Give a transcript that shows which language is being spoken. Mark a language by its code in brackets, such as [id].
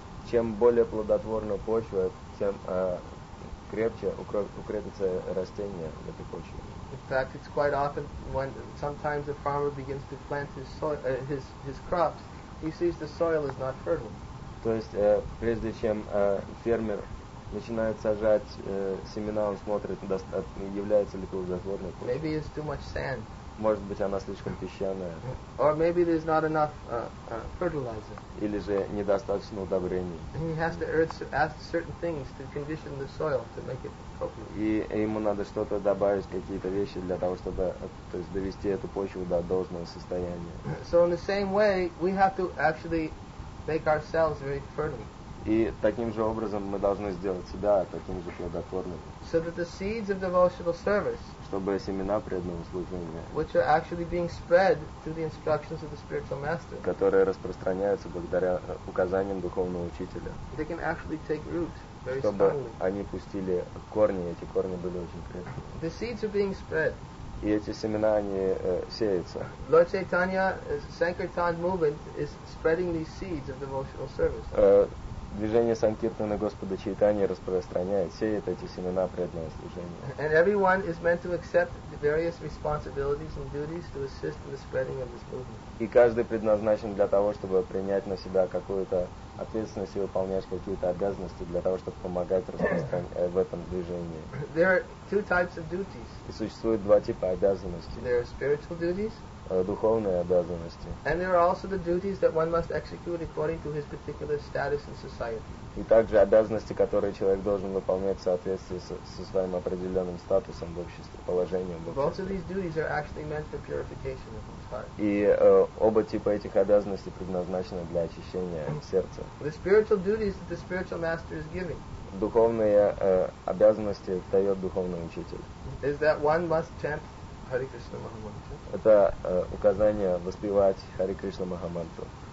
[ru] Чем более плодотворна почва, тем крепче укрепится растение в этой почве. [en] In fact, it's quite often when sometimes a farmer begins to plant his soil, his crops, he sees the soil is not fertile. [ru] То есть прежде чем фермер начинает сажать семена, он смотрит, является ли плодотворной почва. [en] Maybe it's too much sand. [ru] Может быть, она слишком песчаная. [en] Or maybe there's not enough fertilizer. [ru] Или же недостаточно удобрений. [en] And he has to add certain things to condition the soil to make it appropriate. [ru] И ему надо что-то добавить, какие-то вещи для того, чтобы, то есть, довести эту почву до должного состояния. [en] So in the same way, we have to actually make ourselves very fertile. [ru] И таким же образом мы должны сделать себя таким же плодотворным. [en] So that the seeds of devotional service, [ru] чтобы семена преданного служения, [en] which are actually being spread through the instructions of the spiritual master, [ru] которые распространяются благодаря указаниям духовного учителя, [en] they can actually take root very strongly. [ru] Чтобы они пустили корни, эти корни были очень крепкие. [en] The seeds are being spread. [ru] И эти семена, они сеются. [en] Lord Chaitanya, Sankirtan movement is spreading these seeds of devotional service. [ru] Движение Санкиртана Господа Чайтаньи распространяет, сеет эти семена преданного служения. [en] And everyone is meant to accept the various responsibilities and duties to assist in the spreading of this movement. [ru] И каждый предназначен для того, чтобы принять на себя какую-то ответственность и выполнять какие-то обязанности для того, чтобы помогать в этом движении. [en] There are two types of duties. [ru] И существует два типа обязанностей. [en] There are spiritual duties. [ru] Духовные обязанности. [en] And there are also the duties that one must execute according to his particular status in society. [ru] И также обязанности, которые человек должен выполнять в соответствии со своим определенным статусом в обществе, положением в обществе. [en] Both of these duties are actually meant for purification of his heart. [ru] И оба типа этих обязанностей предназначены для очищения сердца. [en] The spiritual duties that the spiritual master is giving. [ru] Духовные обязанности дает духовный учитель. [en] Is that one must chant Hare Krishna Mahamantra. [ru] Это указание воспевать Хари Кришна Махамантру.